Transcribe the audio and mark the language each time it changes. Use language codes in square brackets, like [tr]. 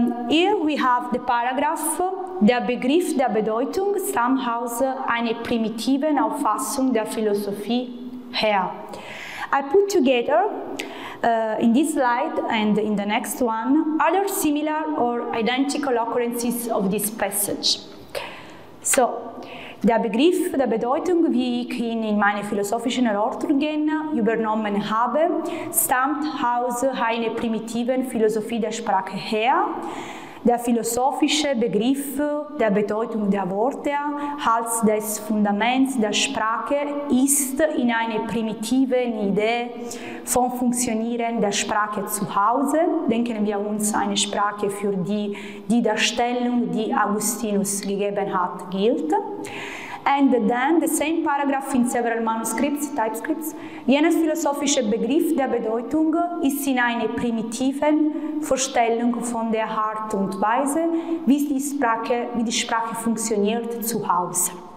[en] Here we have the paragraph, [de] der Begriff der Bedeutung, somehow eine primitive Auffassung der Philosophie. Here. [en] I put together in this slide and in the next one other similar or identical occurrences of this passage. [de] So, der Begriff der Bedeutung, wie ich ihn in meine philosophischen Erörterungen übernommen habe, stammt aus einer primitiven Philosophie der Sprache her. Der philosophische Begriff der Bedeutung der Worte als des Fundaments der Sprache ist in einer primitiven Idee vom Funktionieren der Sprache zu Hause. Denken wir uns eine Sprache, für die Darstellung, die Augustinus gegeben hat, gilt. [en] And then the same paragraph in several manuscripts, typescripts. [de] Jener philosophische Begriff der Bedeutung ist in einer primitiven Vorstellung von der Art und Weise, wie die Sprache funktioniert, zu Hause.